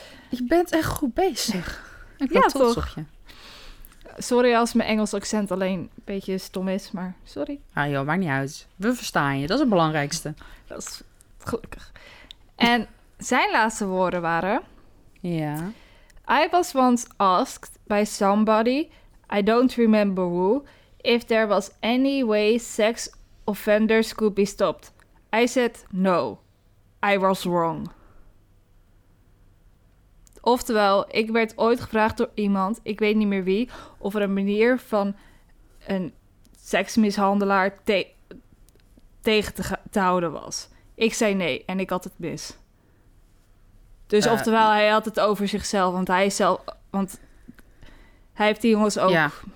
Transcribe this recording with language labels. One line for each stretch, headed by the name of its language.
Dutch: Je bent echt goed bezig. Ik ben trots op je. Sorry als mijn Engels accent alleen een beetje stom is, maar sorry. Ah joh, maakt niet uit. We verstaan je, dat is het belangrijkste. Dat is gelukkig. En zijn laatste woorden waren... Ja.
English: I was once asked by somebody, I don't remember who, if there was any way sex offenders could be stopped. I said no, I was wrong.
Dutch: Oftewel, ik werd ooit gevraagd door iemand, ik weet niet meer wie, of er een manier van een seksmishandelaar tegen te houden was. Ik zei nee en ik had het mis. Dus oftewel, hij had het over zichzelf, want hij is zelf, want hij heeft die jongens ook.